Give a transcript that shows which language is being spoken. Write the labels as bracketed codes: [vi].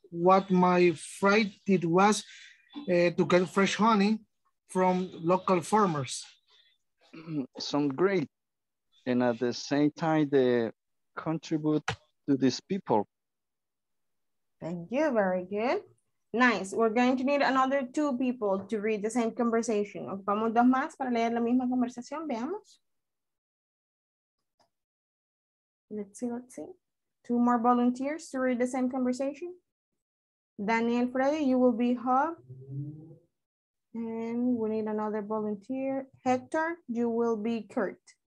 [en] What my friend did was to get fresh honey from local farmers. Sounds great. And at the same time, they contribute to these people. Thank you, very good. Nice. We're going to need another two people to read the same conversation. [es] Ocupamos dos más para leer la misma conversación. Veamos. [en] Let's see. Two more volunteers to read the same conversation. Daniel Freddy, you will be hub. And we need another volunteer. Hector, you will be Kurt.